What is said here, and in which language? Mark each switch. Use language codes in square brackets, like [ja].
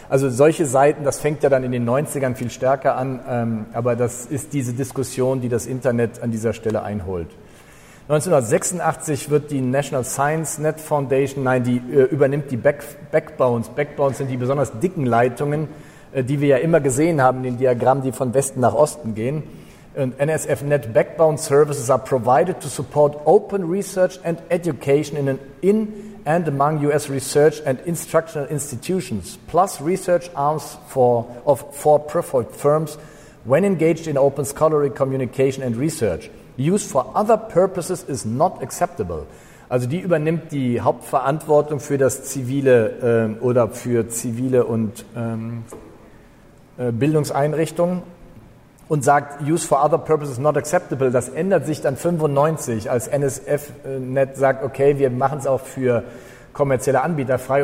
[de] Also solche Seiten, das fängt ja dann in den 90ern viel stärker an, aber das ist diese Diskussion, die das Internet an dieser Stelle einholt. 1986 wird die National Science Net Foundation, nein, die übernimmt die Backbones. Backbones sind die besonders dicken Leitungen, die wir ja immer gesehen haben, den Diagrammen, die von Westen nach Osten gehen. [en] And NSFNet backbone services are provided to support open research and education in and among US research and instructional institutions, plus research arms for-profit firms when engaged in open scholarly communication and research. Use for other purposes is not acceptable. [de] Also die übernimmt die Hauptverantwortung für das zivile oder für zivile und Bildungseinrichtungen. Und sagt, [en] use for other purposes not acceptable. [de] Das ändert sich dann 95, als NSFNet sagt, okay, wir machen es auch für kommerzielle Anbieter frei.